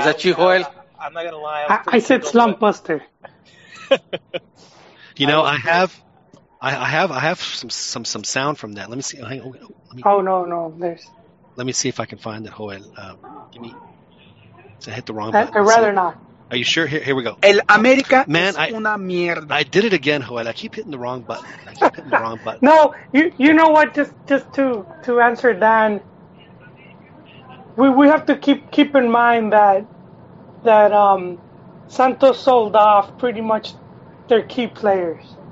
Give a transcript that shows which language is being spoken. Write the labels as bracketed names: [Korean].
[English] Is that you, Joel? I'm not going to lie. I said slump buster. You know, I have some sound from that. Let me see. Hang on. Let me see if I can find it, Joel. Give me. I hit the wrong button. I'd rather not. Are you sure? Here we go. [Spanish] El América es una mierda. [English] I did it again, Joel. I keep hitting the wrong button. No, you know what? Just to answer Dan, we have to keep in mind that Santos sold off pretty much their key players.